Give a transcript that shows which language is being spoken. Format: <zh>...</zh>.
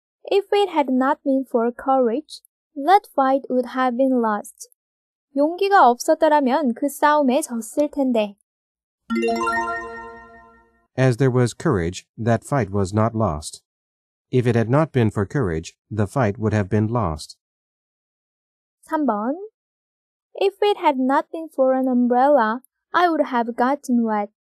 <en>If it had not been for courage, that fight would have been lost.</en> <ko>용기가 없었더라면 그 싸움에 졌을 텐데.</ko> <en>As there was courage, that fight was not lost. If it had not been for courage, the fight would have been lost.</en> <ko>3번.</ko> <en>If it had not been for an umbrella, I would have gotten wet.</en>